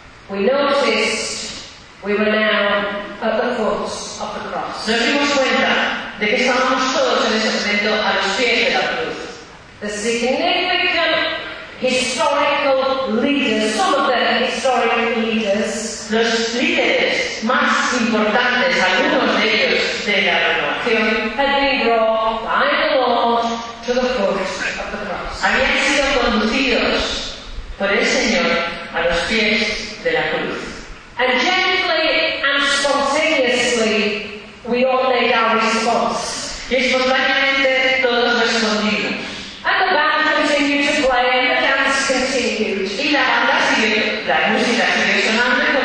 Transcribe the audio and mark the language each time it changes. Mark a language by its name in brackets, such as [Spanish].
[English] we noticed we were now at the foot of the cross. [Spanish] Nos dimos cuenta de que estábamos todos en ese momento a los pies de la cruz. [English] The significant historical leaders, some of the historical leaders, [Spanish] los líderes más importantes, algunos de ellos de la renovación, [English] had been brought by the Lord to the foot of the cross. [Spanish] Habían sido conducidos por el Señor a los pies de la cruz. [English] And gently and spontaneously, we all made our response. [Spanish] Y espontáneamente todos respondimos. [English] And the band continued to play, and the dance continued. [Spanish] Y la banda sigue, la música sigue sonando.